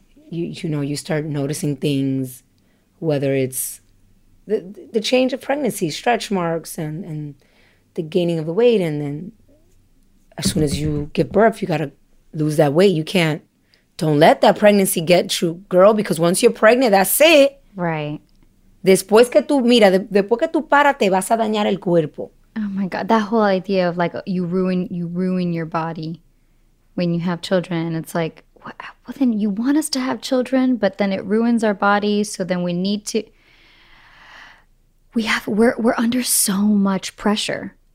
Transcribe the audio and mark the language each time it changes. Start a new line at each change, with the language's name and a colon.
English: You know, you start noticing things, whether it's the change of pregnancy, stretch marks and the gaining of the weight. And then as soon as you give birth, you got to lose that weight. You can't, don't let that pregnancy get you, girl, because once you're pregnant, that's it. Right.
Spanish: Después que tú, mira, después que tú paras, te vas a dañar el cuerpo.
English: Oh my God. That whole idea of like, you ruin your body when you have children. It's like, well, then you want us to have children, but then it ruins our bodies. So then we need to, we're under so much pressure.